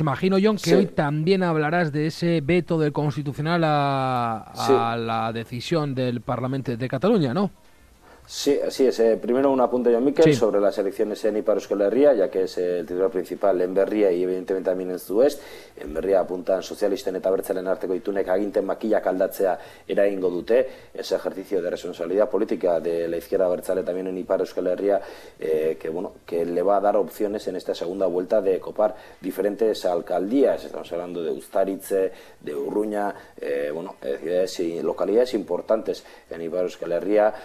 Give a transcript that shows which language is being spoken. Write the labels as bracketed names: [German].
[Spanish] Imagino, John, que hoy Sí. también hablarás de ese veto del Constitucional a Sí. la decisión del Parlamento de Cataluña, ¿no? Sí, así es. Primero un apunte, John Miquel, Sí. sobre las elecciones en Ipar Euskal Herria, ya que es el titular principal en Berria y evidentemente también en Zuest. En Berria apuntan [Basque] sozialisten eta abertzalen arteko itunek aginten makilak aldatzea eragingo dute. [Spanish] Ese ejercicio de responsabilidad política de la izquierda abertzale también en Ipar Euskal Herria, que le va a dar opciones en esta segunda vuelta de copar diferentes alcaldías. Estamos hablando de Uztaritze, de Urruña, ciudades y localidades importantes en Ipar Euskal Herria.